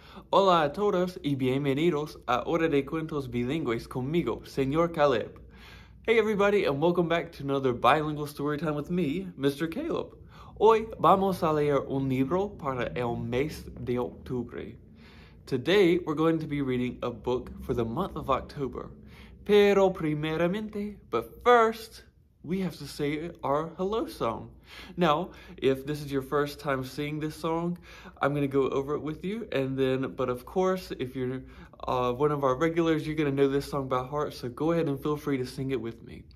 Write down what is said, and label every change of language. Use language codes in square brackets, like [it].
[es] Hola a todos y bienvenidos a Hora de Cuentos Bilingües conmigo, Señor Caleb. [en] Hey everybody and welcome back to another Bilingual Storytime with me, Mr. Caleb. [es] Hoy vamos a leer un libro para el mes de octubre. [en] Today we're going to be reading a book for the month of October. [es] Pero primeramente, [en] but first, we have to say our hello song. Now, if this is your first time seeing this song, I'm gonna go over it with you, and then, but of course, if you're one of our regulars, you're gonna know this song by heart, so go ahead and feel free to sing it with me.